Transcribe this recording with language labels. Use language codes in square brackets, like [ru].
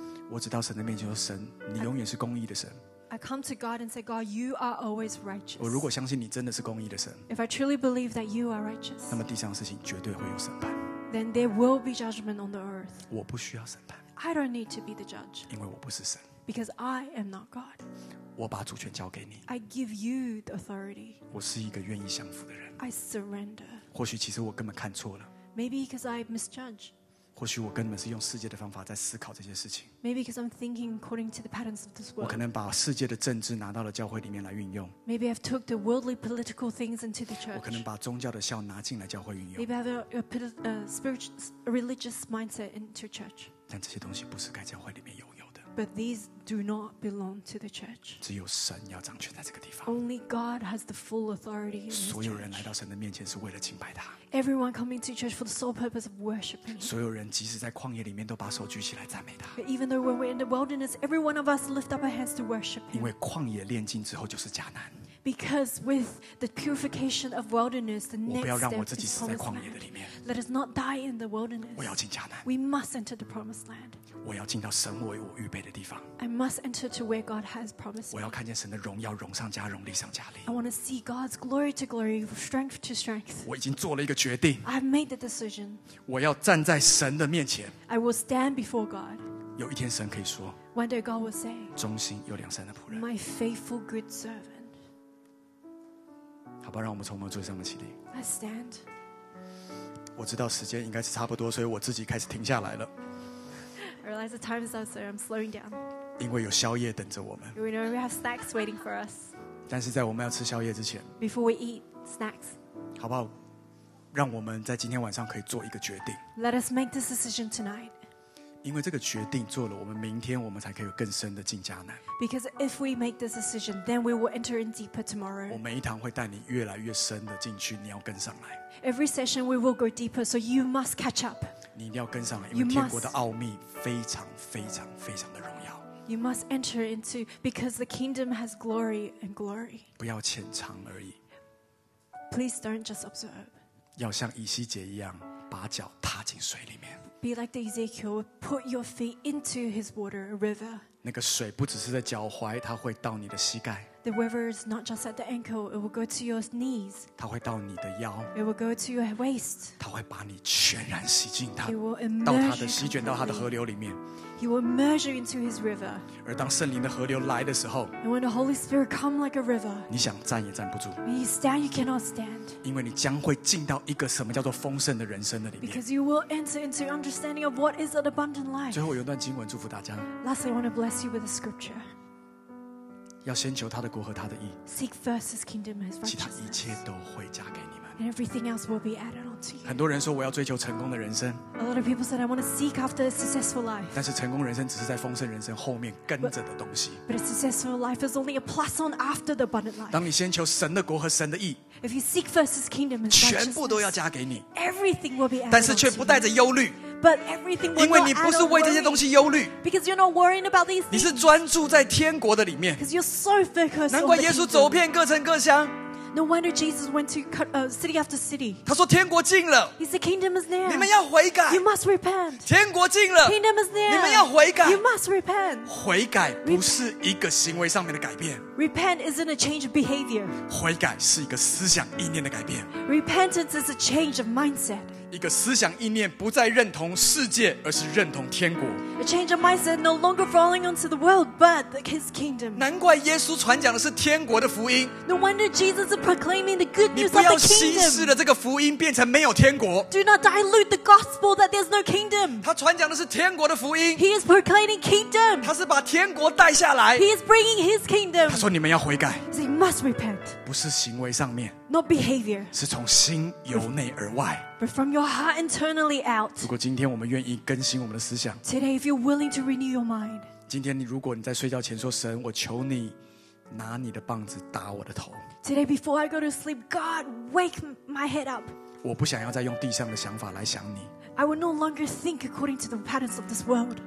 [zh] 我只到神的面前说：“神，你永远是公义的神。” [en] I come to God and say, God, you are always righteous. [zh] 我如果相信你真的是公义的神 [en] If I truly believe that you are righteous, [zh] 那么地上的事情绝对会有审判 [en] Then there will be judgment on the earth. [zh] 我不需要审判 [en] I don't need to be the judge. [zh] 因为我不是神 [en] Because I am not God. [zh] 我把主权交给你 [en] I give you the authority. [zh] 我是一个愿意降服的人 [en] I surrender. [zh] 或许其实我根本看错了 [en] Maybe because I misjudge. [zh] 或许我根本是用世界的方法在思考这些事情。 [en] Maybe because I'm thinking according to the patterns of this world. [zh] 我可能把世界的政治拿到了教会里面来运用。 [en] Maybe I've took the worldly political things into the church. [zh] 我可能把宗教的效拿进来教会运用。 [en] Maybe I have a spiritual religious mindset into church. [zh] 但这些东西不是该教会里面拥有的。 [en] But these do not belong to the church. [zh] 只有神要掌权在这个地方。 [en] Only God has the full authority. [zh] 所有人来到神的面前是为了敬拜他。 [en] Everyone coming to church for the sole purpose of worshiping. [zh] 所有人即使在旷野里面都把手举起来赞美他。 [en] Even though when we're in the wilderness, every one of us lift up our hands to worship him. [zh] 因为旷野炼金之后就是迦南。 [en] Because with the purification of wilderness, the next step is promised land. [zh] 我不要让我自己死在旷野的里面。 [en] Let us not die in the wilderness. [zh] 我要进迦南。 [en] We must enter the promised land. [zh] 我要进到神为我预备的地方。 [en] I must enter to where God has promised. [zh] 我要看见神的荣耀荣上加荣，力上加力。 [en] I want to see God's glory to glory, strength to strength. [zh] 我已经做了一个决定。 [en] I've made the decision. [zh] 我要站在神的面前。 [en] I will stand before God. [zh] 有一天神可以说。 [en] One day God will say. [zh] 忠心又良善的仆人。 [en] My faithful good servant. [zh] 好吧，让我们从我们座位上面起立。 [en] Let's stand. [zh] 我知道时间应该是差不多，所以我自己开始停下来了。 [en] I realize the time is up, so I'm slowing down. [zh] 因为有宵夜等着我们。 [en] We know we have snacks waiting for us. [zh] 但是在我们要吃宵夜之前 [en] ，Before we eat snacks， [zh] 好不好？让我们在今天晚上可以做一个决定。 [en] Let us make this decision tonight. [zh] 因为这个决定做了，我们明天我们才可以更深的进迦南。 [en] Because if we make this decision, then we will enter in deeper tomorrow. [zh] 我每一堂会带你越来越深的进去，你要跟上来。 [en] Every session we will go deeper, so you must catch up. [zh] 你一定要跟上来，因为天国的奥秘非常非常非常的荣耀。 [en] You must enter into because the kingdom has glory and glory. [zh] 不要浅尝而已。 [en] Please don't just observe. [zh] 要像以西结一样，把脚踏进水里面。 [en] Be like the Ezekiel, put your feet into his water, a river. [zh] 那个水不只是在脚踝，它会到你的膝盖。 [en] The river is not just at the ankle, it will go to your knees. [zh] 它会到你的腰。 [en] It will go to your waist. [zh] 它会把你全然吸进它。 [en] It will immerge [zh] 到它的席卷到它的河流里面。 [en] He will immerge you into his river. [zh] 而当圣灵的河流来的时候 [en] And when the Holy Spirit comes like a river, [zh] 你想站也站不住 [en] When you stand, you cannot stand. [zh] 因为你将会进到一个什么叫做丰盛的人生的里面 [en] Because you will enter into understanding of what is an abundant life. [zh] 最后有一段经文祝福大家 [en] Lastly, I want to bless you with a scripture. [zh] 要先求他的国和他的义 [en] Seek first his kingdom and his righteousness. [zh] 其他一切都会加给你们 [en] And everything else will be added on. [zh] 很多人说我要追求成功的人生 [en] A lot of people said I want to seek after a successful life [zh] 但是成功人生只是在丰盛人生后面跟着的东西 [en] But a successful life is only a plus on after the abundant life [zh] 当你先求神的国和神的义 [en] If you seek first his kingdom and righteousness [zh] 全部都要加给你 [en] Everything will be added [zh] 但是却不带着忧虑 [en] But everything will not add on worry [zh] 因为你不是为这些东西忧虑 [en] Because you're not worrying about these things [zh] 你是专注在天国的里面 [en] Because you're so focused on the kingdom [zh] 难怪耶稣走遍各城各乡 [en] No wonder Jesus went to city after city. [zh] 他说天国近了。 [en] He said kingdom is near. [zh] 你们要悔改。 [en] You must repent. [zh] 天国近了。 [en] Kingdom is near. [zh] 你们要悔改。 [en] You must repent. [zh] 悔改不是一个行为上面的改变。 [en] Repent isn't a change of behavior. [zh] 悔改是一个思想意念的改变。 [en] Repentance is a change of mindset. [zh] 一个思想意念不再认同世界，而是认同天国。 [en] A change of mindset no longer falling onto the world, but his kingdom. [zh] 难怪耶稣传讲的是天国的福音。 [en] No wonder Jesus is proclaiming the good news of the kingdom. [zh] 你不要稀释了这个福音，变成没有天国。 [en] Do not dilute the gospel that there's no kingdom. [zh] 他传讲的是天国的福音。 [en] He is proclaiming kingdom. [zh] 他是把天国带下来。 [en] He is bringing his kingdom. [zh] 他说你们要悔改。 [en] So you must repent. [zh] 不是行为上面。 [en] Not behavior. [zh] 是从心由内而外。 [en] But from your heart internally out. [zh] 如果今天我们愿意更新我们的思想。 [en] Today, if you're willing to renew your mind. [zh] 今天如果你在睡觉前说神，我求你拿你的棒子打我的头。 [en] Today, before I go to sleep, God, wake my head up. [zh] 我不想要再用地上的想法来想你。 [en] I will no longer think according to the patterns of this world.